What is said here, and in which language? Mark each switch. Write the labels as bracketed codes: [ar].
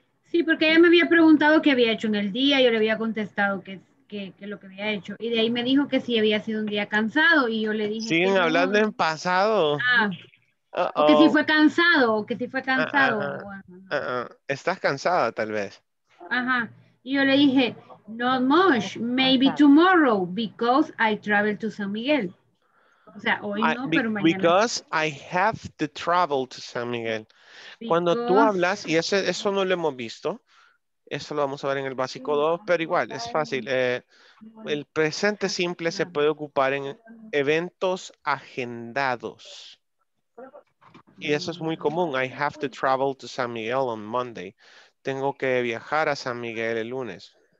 [es] Sí, porque ella me había preguntado qué había hecho en el día, yo le había contestado que lo que había hecho. Y de ahí me dijo que sí había sido un día cansado y yo le dije... ¿Siguen hablando en pasado? Ah, o que sí fue cansado, o que sí fue cansado. Estás cansada tal vez. Ajá, y yo le dije, [en] not much, maybe tomorrow, because I travel to San Miguel. [es] O sea, hoy no, pero mañana. [en] Because I have to travel to San Miguel. [es] Cuando tú hablas, y eso no lo hemos visto, eso lo vamos a ver en el básico 2, pero igual, es fácil. El presente simple se puede ocupar en eventos agendados. Y eso es muy común. [en] I have to travel to San Miguel on Monday. [es] Tengo que viajar a San Miguel el lunes.